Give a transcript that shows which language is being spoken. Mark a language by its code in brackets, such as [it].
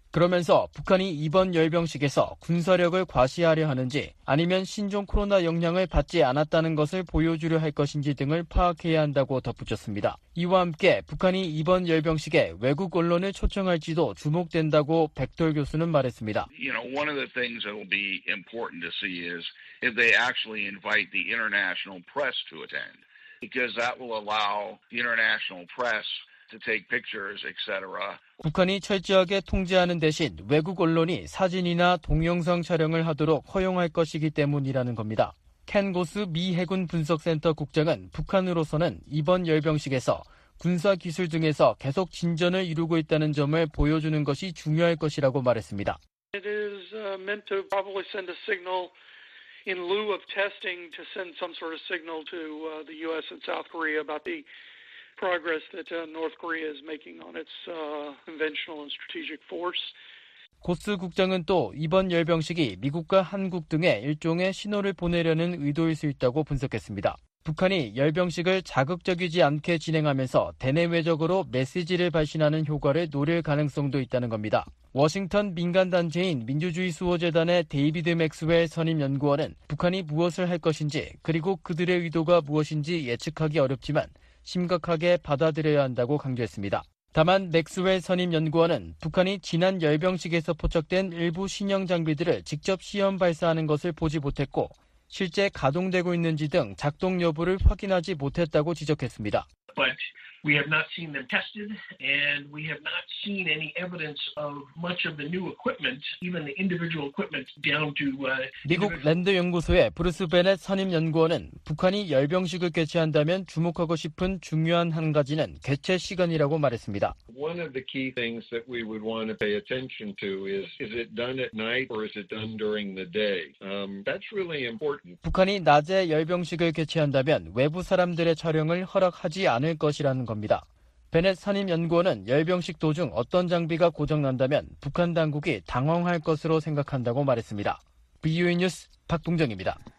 [ko] 그러면서 북한이 이번 열병식에서 군사력을 과시하려 하는지 아니면 신종 코로나 영향을 받지 않았다는 것을 보여주려 할 것인지 등을 파악해야 한다고 덧붙였습니다. 이와 함께 북한이 이번 열병식에 외국 언론을 초청할지도 주목된다고 벡털 교수는 말했습니다. [en] You know, one of the things that will be important to see is if they actually invite the international press to attend. Because that will allow the international press to take pictures, etc. [ko] 북한이 철저하게 통제하는 대신 외국 언론이 사진이나 동영상 촬영을 하도록 허용할 것이기 때문이라는 겁니다. 켄 고스 미 해군 분석센터 국장은 북한으로서는 이번 열병식에서 군사 기술 등에서 계속 진전을 이루고 있다는 점을 보여주는 것이 중요할 것이라고 말했습니다. [en] It is meant to probably send a signal. In lieu of testing, to send some sort of signal to the U.S. and South Korea about the progress that North Korea is making on its conventional and strategic force. [ko] 고스 국장은 또 이번 열병식이 미국과 한국 등의 일종의 신호를 보내려는 의도일 수 있다고 분석했습니다. 북한이 열병식을 자극적이지 않게 진행하면서 대내외적으로 메시지를 발신하는 효과를 노릴 가능성도 있다는 겁니다. 워싱턴 민간단체인 민주주의 수호재단의 데이비드 맥스웰 선임연구원은 북한이 무엇을 할 것인지 그리고 그들의 의도가 무엇인지 예측하기 어렵지만 심각하게 받아들여야 한다고 강조했습니다. 다만 맥스웰 선임연구원은 북한이 지난 열병식에서 포착된 일부 신형 장비들을 직접 시험 발사하는 것을 보지 못했고 실제 가동되고 있는지 등 작동 여부를 확인하지 못했다고 지적했습니다. [en] But we have not seen them tested and we have not seen any evidence of much of the new equipment, even the individual equipment down to [ko] 미국 랜드 연구소의 브루스 베넷 선임 연구원은 북한이 열병식을 개최한다면 주목하고 싶은 중요한 한 가지는 개최 시간이라고 말했습니다. [en] One of the key things that we would want to pay attention to is it done at night or is it done during the day? That's really important. [ko] 북한이 낮에 열병식을 개최한다면 외부 사람들의 촬영을 허락하지 않을 것이라는 겁니다. 베넷 산임연구원은 열병식 도중 어떤 장비가 고장난다면 북한 당국이 당황할 것으로 생각한다고 말했습니다. BUA 뉴스 박동정입니다.